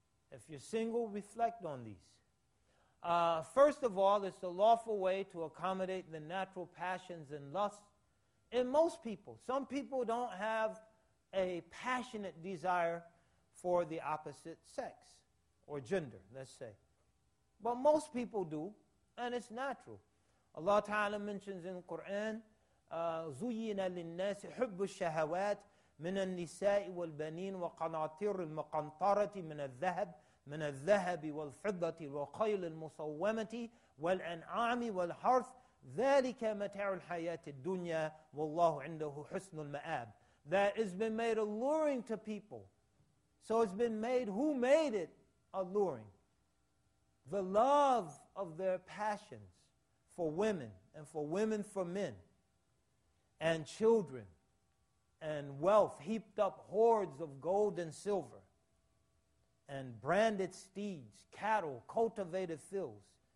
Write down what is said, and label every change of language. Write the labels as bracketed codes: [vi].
[en] If you're single, reflect on these. First of all, it's a lawful way to accommodate the natural passions and lusts in most people. Some people don't have a passionate desire for the opposite sex or gender, let's say. But most people do, and it's natural. Allah Ta'ala mentions in the Quran, [ar] زُيِّنَ لِلنَّاسِ حُبُّ الشَّهَوَاتِ مِنَ النِّسَاءِ وَالْبَنِينَ وَقَنَاطِرِ الْمَقَنْطَرَةِ مِنَ الذَّهَبِ من الذهب والفضة والخيل المصومة والأنعام والحرث ذلك متاع الحياة الدنيا والله عنده حسن المآب. [en] That has been made alluring to people. So it's been made, who made it alluring? The love of their passions for women and for women for men and children and wealth, heaped up hoards of gold and silver and branded steeds, cattle, cultivated fields.